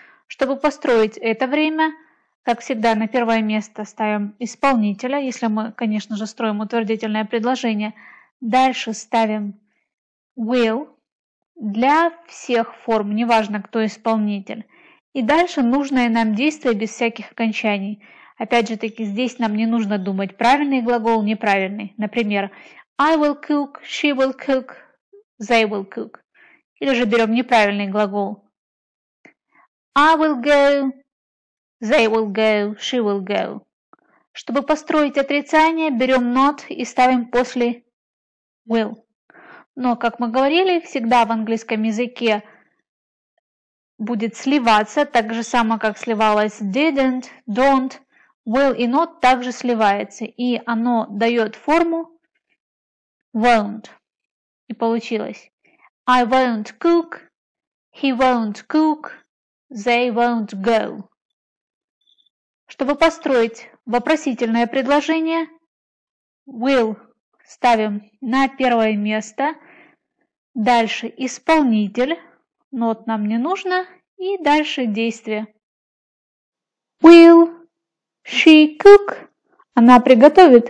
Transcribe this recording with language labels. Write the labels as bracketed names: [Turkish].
[Russian] Чтобы построить это время, как всегда, на первое место ставим исполнителя, если мы, конечно же, строим утвердительное предложение. Дальше ставим will для всех форм, неважно, кто исполнитель. И дальше нужное нам действие без всяких окончаний. Опять же таки, здесь нам не нужно думать, правильный глагол, неправильный. [English] Например, I will cook, she will cook, they will cook. [Russian] Или же берем неправильный глагол. [English] I will go, they will go, she will go. [Russian] Чтобы построить отрицание, берем not и ставим после will. Но, как мы говорили, всегда в английском языке будет сливаться, так же самое, как сливалось didn't, don't. Will и not также сливается, и оно дает форму won't. И получилось. [English] I won't cook, he won't cook, they won't go. [Russian] Чтобы построить вопросительное предложение, will ставим на первое место. Дальше исполнитель, not нам не нужно, и дальше действие. [English] Will. She cook. [Russian] Она приготовит.